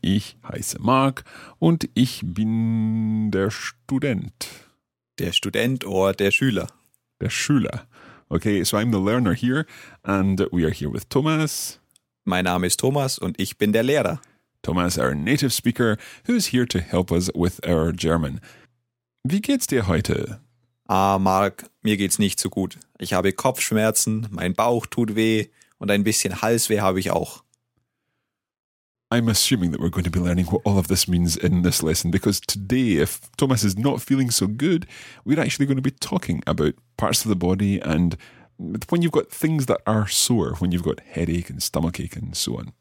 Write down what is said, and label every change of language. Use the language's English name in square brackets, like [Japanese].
[German] Ich heiße Marc und ich bin der Student. Der Student [English] or [German] der Schüler. Der Schüler. [English] Okay, so I'm the learner here and we are here with Thomas. [German] Mein Name ist Thomas und ich bin der Lehrer. [English] Thomas, our native speaker, who is here to help us with our German. [German] Wie geht's dir heute? Ah, Marc, mir geht's nicht so gut. Ich habe Kopfschmerzen, mein Bauch tut weh und ein bisschen Halsweh habe ich auch. [English] I'm assuming that we're going to be learning what all of this means in this lesson, because today, if Thomas is not feeling so good, we're actually going to be talking about parts of the body and when you've got things that are sore, when you've got headache and stomachache and so on.